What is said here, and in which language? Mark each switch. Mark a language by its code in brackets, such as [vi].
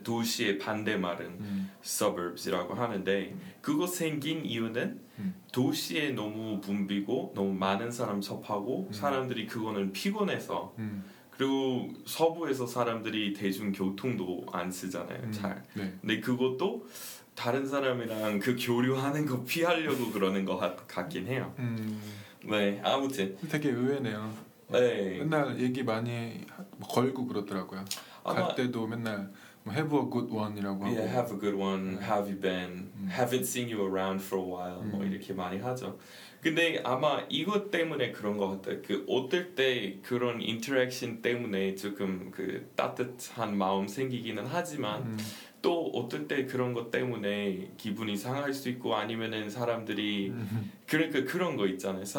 [ko] 도시의 반대말은 서버브즈라고 하는데 그거 생긴 이유는 도시에 너무 붐비고 너무 많은 사람 접하고 사람들이 그거는 피곤해서 그리고 서부에서 사람들이 대중교통도 안 쓰잖아요. 잘. 네. 근데 그것도 다른 사람이랑 그 교류하는 거 피하려고 그러는 것 같긴 해요. 네, 아무튼 되게 의외네요. 네. 맨날 얘기 많이 걸고 그러더라고요. 아마, 갈 때도 맨날 뭐 [en] have a good one [ko] 이라고 하고 [en] yeah, have a good one, have you been, haven't seen you around for a while [ko] 뭐 이렇게 많이 하죠. 근데 아마 이것 때문에 그런 것 같아요. 그 어떨 때 그런 인터랙션 때문에 조금 그 따뜻한 마음 생기기는 하지만 또 어떨 때 그런 것 때문에 기분이 상할 수 있고 아니면은 사람들이 그러니까 그런 거 있잖아요.